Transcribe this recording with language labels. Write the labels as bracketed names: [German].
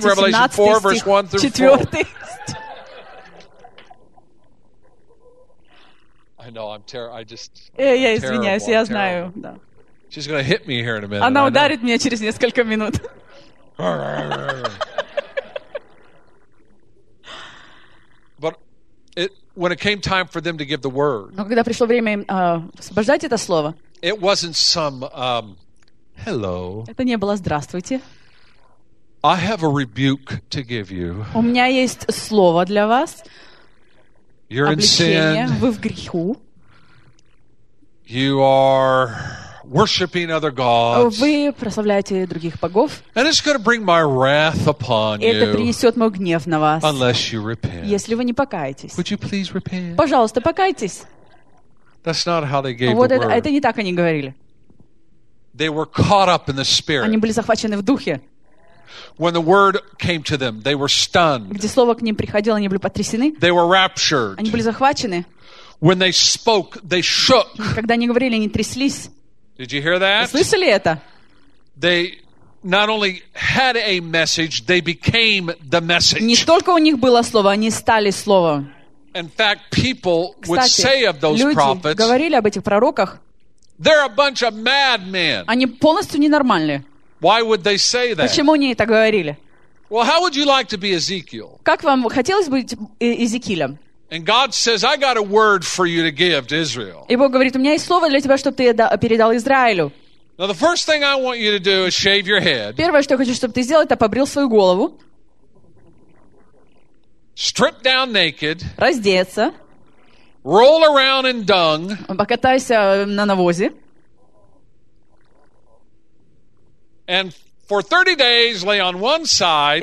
[English] Revelation 4 verse 1 through 4. I know. [Russian] Я знаю. Да. [English] She's going to hit me here in a minute. [Russian] Она ударит меня через несколько минут. [English] But when it came time for them to give the word. [Russian] Но когда пришло время освобождать это слово. [English] It wasn't some hello. [Russian] Это не было здравствуйте. [English] I have a rebuke to give you. [Russian] У меня есть слово для вас. [English] You're in sin. [Russian] Вы в греху. [English] You are worshiping other gods. [Russian] Вы прославляете других богов. [English] And it's going to bring my wrath upon you. [Russian] Это принесет мой гнев на вас. [English] Unless you repent. [Russian] Если вы не покаетесь. [English] Would you please repent? [Russian] Пожалуйста, покайтесь. [English] That's not how they gave the word. [Russian] Вот это не так они говорили. [English] They were caught up in the spirit. [Russian] Они были захвачены в духе. [English] When the word came to them, they were stunned. [Russian] Где слово к ним приходило, они были потрясены. [English] They were raptured. [Russian] Они были захвачены. [English] When they spoke, they shook. [Russian] Когда они говорили, они тряслись. [English] Did you hear that? [Russian] Слышали это? [English] They not only had a message, they became the message. [Russian] Не только у них было слово, они стали словом. [English] In fact, people [Russian] Кстати, [English] would say of those [Russian] люди [English] prophets, [Russian] говорили об этих пророках, [English] they're a bunch of madmen. [Russian] Они полностью ненормальные. [English] Why would they say that? [Russian] Почему они это говорили? [English] Well, how would you like to be Ezekiel? [Russian] Как вам хотелось быть Иезекиилем? [English] And God says, "I got a word for you to give to Israel." [Russian] И Бог говорит, у меня есть слово для тебя, чтобы ты передал Израилю. [English] Now the first thing I want you to do is shave your head. [Russian] Первое, что я хочу, чтобы ты сделал, это побрил свою голову. [English] Strip down naked. [Russian] Раздеться. [English] Roll around in dung. [Russian] Покатайся на навозе. [English] And for 30 days, lay on one side.